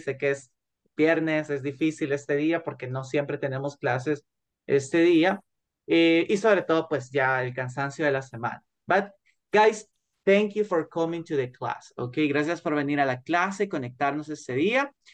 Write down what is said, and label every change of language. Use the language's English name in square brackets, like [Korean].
[Spanish] Sé que es viernes, es difícil este día porque no siempre tenemos clases este día. Y sobre todo, pues ya el cansancio de la semana. [English] But guys, thank you for coming to the class. Okay. [Spanish] Gracias por venir a la clase, conectarnos este día.